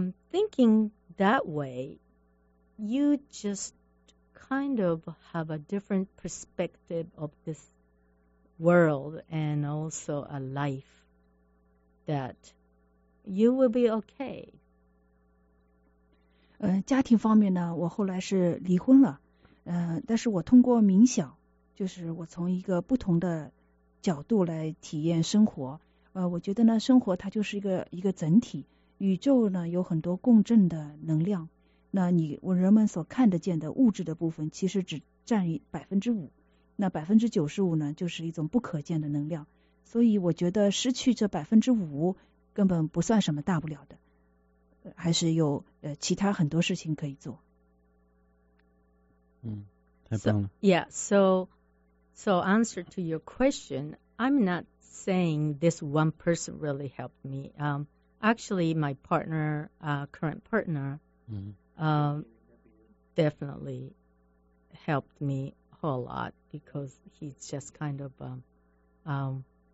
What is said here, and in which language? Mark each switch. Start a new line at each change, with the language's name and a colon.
English: Thinking that way, you just kind of have a different perspective of this world and also a life that you will be okay.
Chinese: 家庭方面呢，我后来是离婚了，但是我通过冥想，就是我从一个不同的角度来体验生活，我觉得呢，生活它就是一个整体，宇宙呢有很多共振的能量，那人们所看得见的物质的部分，其实只占于5%，那95%呢，就是一种不可见的能量，所以我觉得失去这5%根本不算什么大不了的。还是有其他很多事情可以做。太棒了。
English: So answer to your question, I'm not saying this one person really helped me. Actually, my partner, current partner, definitely helped me a whole lot because he's just kind of